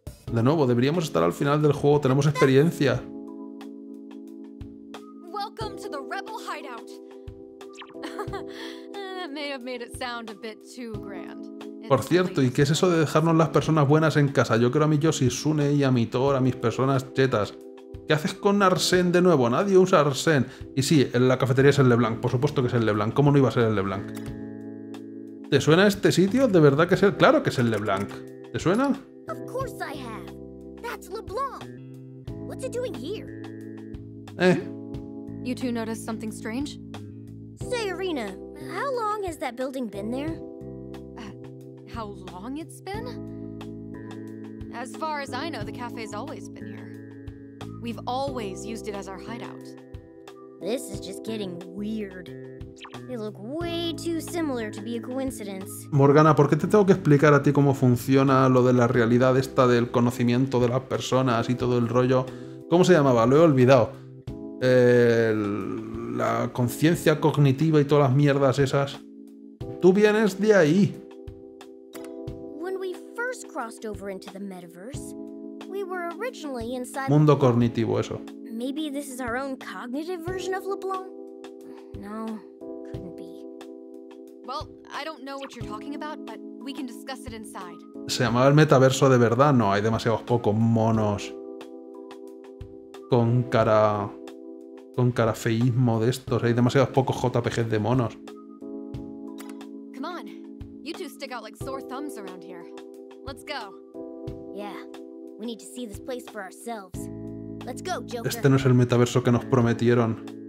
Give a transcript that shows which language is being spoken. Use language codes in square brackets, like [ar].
[es] De nuevo, deberíamos estar al final del juego, tenemos experiencia. [en] Welcome to the Rebel Hideout. That may have made it sound a bit too grand. [es] Por cierto, ¿y qué es eso de dejarnos las personas buenas en casa? Yo quiero a mi Yoshisune y a mi Thor, a mis personas chetas. ¿Qué haces con Arsène de nuevo? Nadie usa Arsène. Y sí, en la cafetería es el LeBlanc, por supuesto que es el LeBlanc. ¿Cómo no iba a ser el LeBlanc? ¿Te suena este sitio? ¿De verdad que es el? Claro que es el LeBlanc. ¿Te suena? [en] Of course I have. That's LeBlanc. What's he doing here? You two noticed something strange? Say, Arena, how long has that building been there? How long it's been? As far as I know, the cafe's always been here. We've always used it as our hideout. This is just getting weird. They look way too similar to be a coincidence. [es] Morgana, ¿por qué te tengo que explicar a ti cómo funciona lo de la realidad esta del conocimiento de las personas y todo el rollo? ¿Cómo se llamaba? Lo he olvidado. La conciencia cognitiva y todas las mierdas esas. Tú vienes de ahí. [en] When we first crossed over into the metaverse, we were originally inside... [es] Mundo cognitivo, eso. [en] Maybe this is our own cognitive version of LeBlanc? No. Well, I don't know what you're talking about, but we can discuss it inside. [es] Se llamaba el metaverso de verdad, no hay demasiados pocos monos con cara feísmo de estos, hay demasiados pocos JPGs de monos. [en] Come on. You two stick out like sore thumbs around here. Let's go. Yeah. We need to see this place for ourselves. Let's go, Joker. [es] Este no es el metaverso que nos prometieron.